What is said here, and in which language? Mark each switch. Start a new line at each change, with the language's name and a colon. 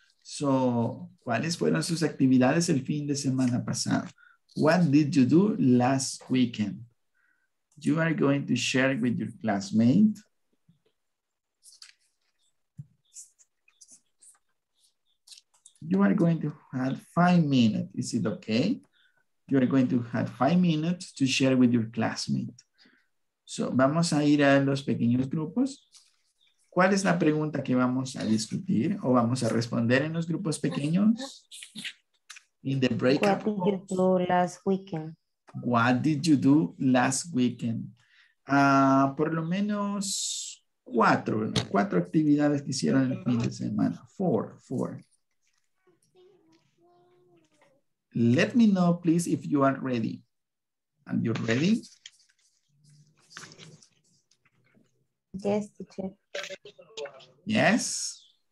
Spanish: So, ¿cuáles fueron sus actividades el fin de semana pasado?
English: What did you do last weekend? You are going to share with your classmate. You are going to have 5 minutes. Is it okay? You are going to have 5 minutes to share with your classmate.
Spanish: So, vamos a ir a los pequeños grupos. ¿Cuál es la pregunta que vamos a discutir o vamos a responder en los grupos pequeños?
English: In the breakout. What did you do last weekend? What did you do last weekend?
Spanish: Por lo menos cuatro actividades que hicieron el fin de semana. Four.
English: Let me know, please, if you are ready. And you're ready? Yes, teacher. Yes.